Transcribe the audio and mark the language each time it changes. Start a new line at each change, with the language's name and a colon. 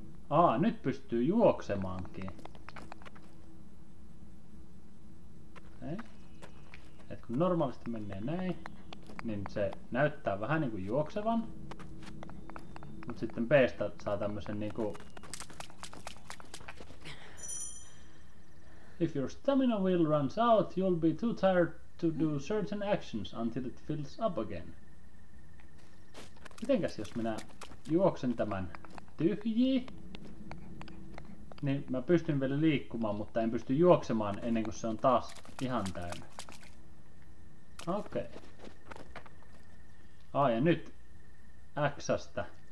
Finnish: Ah, nyt pystyy juoksemaankin. Okay. Et kun normaalisti menee näin, niin se näyttää vähän niinku juoksevan. Mut sitten B:stä saa tämmösen niinku...
English: If your stamina wheel runs out, you'll be too tired to do certain actions until it fills up again.
Finnish: Mitenkäs jos minä juoksen tämän tyhjii, niin mä pystyn vielä liikkumaan, mutta en pysty juoksemaan ennen kuin se on taas ihan täynnä. Okei. Okay. Ja nyt X:stä.